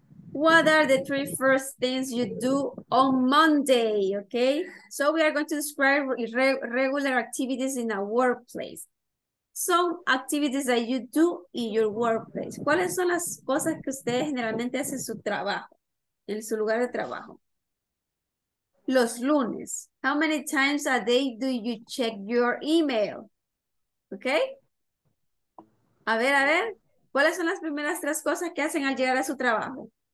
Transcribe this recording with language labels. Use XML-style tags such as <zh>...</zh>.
<en>What are the three first things you do on Monday, okay? So we are going to describe regular activities in a workplace.</en> <es>son</es> <en>activities that you do in your workplace?</en> <es>¿Cuáles son las cosas que ustedes generalmente hacen en su trabajo, en su lugar de trabajo? Los lunes.</es> <en>How many times a day do you check your email? Okay.</en> <es>A ver, a ver. ¿Cuáles son las primeras tres cosas que hacen al llegar a su trabajo?</es>